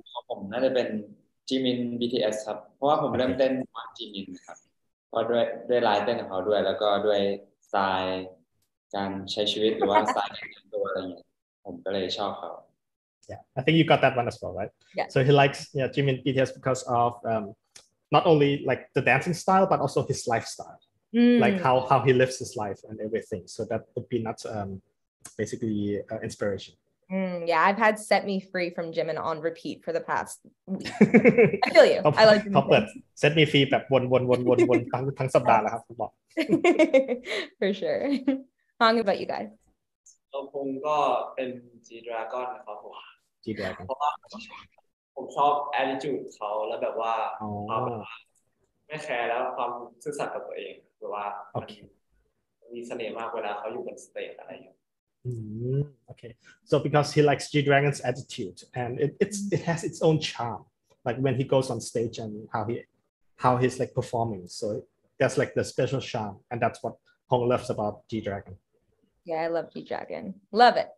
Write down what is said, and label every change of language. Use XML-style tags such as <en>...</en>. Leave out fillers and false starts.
<th>ผมน่าจะเป็นจีมิน BTS ครับเพราะว่าผมเริ่มเต้นวันจีมินครับเพราะด้วยไลน์เต้นของเขาด้วยแล้วก็ด้วยสไตล์การใช้ชีวิตหรือว่าสไตล์การแต่งตัวอะไรอย่างเงี้ยผมก็เลยชอบเขา</th> <en>Yeah I think you got that one as well right Yeah So he likes yeah Jimin BTS because of not only like the dancing style but also his lifestyle like how he lives his life and everything so that would be not basically inspiration Yeah, I've had Set Me Free from Jimin on repeat for the past week. I feel you. I like Jimin. Top it.</en> <th>Set Me Free แบบวนทั้งสัปดาห์แล้วครับบอก</th> <en>For sure. How about you guys?</en> <th>ผมก็เป็น G Dragon นะครับผม</th> <en>G Dragon</en> <th>เพราะว่าผมชอบ attitude เขาแล้วแบบว่าความไม่แคร์แล้วความซื่อสัตย์กับตัวเองหรือว่ามีเสน่ห์มากเวลาเขาอยู่บนสเตจอะไรอย่าง</th> <en>Okay, so because he likes G-Dragon's attitude and it has its own charm, like when he goes on stage and how he's like performing. So that's like the special charm and that's what Hong loves about G-Dragon. Yeah, I love G-Dragon. Love it.</en>